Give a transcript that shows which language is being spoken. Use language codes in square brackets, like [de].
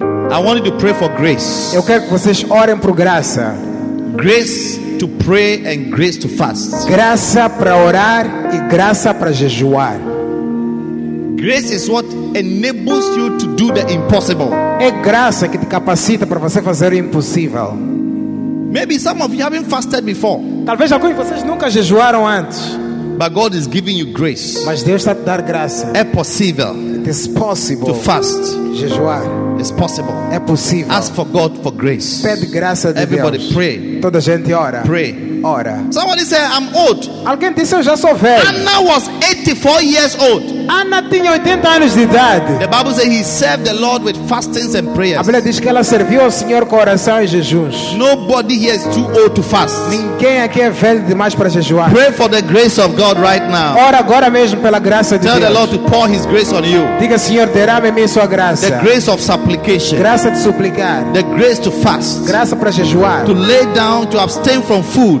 [en] I want you to pray for grace. [pt] Eu quero que vocês orem por graça. [en] Grace to pray and grace to fast. [pt] Graça para orar e graça para jejuar. [en] Grace is what enables you to do the impossible. [pt] É graça que te capacita para você fazer o impossível. [en] Maybe some of you haven't fasted before. [pt] Talvez alguns de vocês nunca jejuaram antes. [en] But God is giving you grace. [pt] Mas Deus está te dar graça. É possível. [en] It is possible. To fast. [pt] Jejuar. [en] It's possible. [pt] É possível. [en] Ask for God for grace. [pt] Pede graça de [en] Everybody [pt] Deus. [en] Pray. [pt] Toda gente ora. [en] Pray. [pt] Ora. [en] Somebody say I'm old. [pt] Alguém disse eu já sou velho. [en] Anna was 84 years old. [pt] Anna tinha 80 anos de idade. [en] The Bible says he served the Lord with fastings and prayers. [pt] A Bíblia diz que ela serviu ao Senhor com oração e jejuns. [en] Nobody here is too old to fast. [pt] Ninguém aqui é velho demais para jejuar. [en] Pray for the grace of God right now. [pt] Ora agora mesmo pela graça de [en] Tell [pt] Deus. [en] Tell the Lord to pour His grace on you. [pt] Diga Senhor, derrame-me sua graça. [en] The grace of supplication. [pt] Graça de suplicar. [en] The grace to fast. [pt] Graça para jejuar. [en] To lay down, to abstain from food.